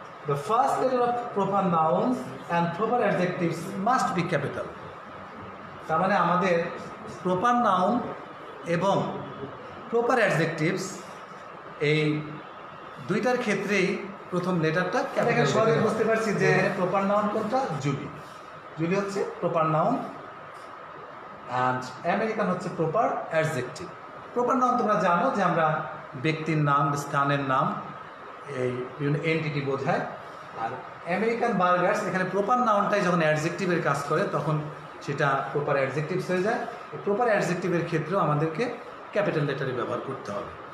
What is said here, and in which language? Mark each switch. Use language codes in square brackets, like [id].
[en] The first letter of proper nouns and proper adjectives must be capital. [bn] তার মানে আমাদের proper noun এবং proper adjectives এই দুইটার ক্ষেত্রেই প্রথম লেটারটা ক্যাপিটাল। সহজে বুঝতে পারছি যে proper noun কোনটা? জুলি। [en] Julie হচ্ছে proper noun and American হচ্ছে proper adjective. [bn] Proper noun তোমরা জানো যে আমরা ব্যক্তির নাম, স্থানের নাম এই বিভিন্ন এন্টিটি বোঝায়। আর আমেরিকান বার্গার্স এখানে প্রপার নাউনটাই যখন অ্যাডজেক্টিভের কাজ করে তখন সেটা প্রপার অ্যাডজেক্টিভস হয়ে যায়। প্রপার অ্যাডজেক্টিভের ক্ষেত্রেও আমাদেরকে ক্যাপিটাল লেটারই ব্যবহার করতে হবে।